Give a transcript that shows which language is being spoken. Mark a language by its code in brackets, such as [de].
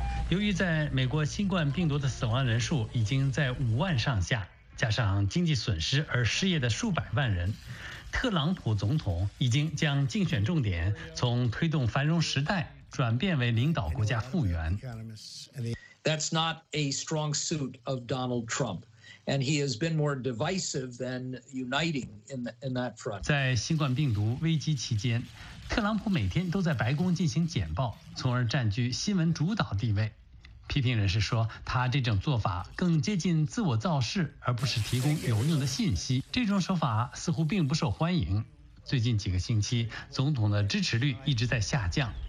[zh] 由于在美国新冠病毒的死亡人数已经在50,000上下，加上经济损失而失业的数百万人。特朗普总统已经将竞选重点从推动繁荣时代转变为领导国家复原。 [en] That's not a strong suit of Donald Trump, and he has been more divisive than uniting in that front. [zh] 在新冠病毒危机期间，特朗普每天都在白宫进行简报，从而占据新闻主导地位。批评人士说，他这种做法更接近自我造势，而不是提供有用的信息。这种手法似乎并不受欢迎。最近几个星期，总统的支持率一直在下降。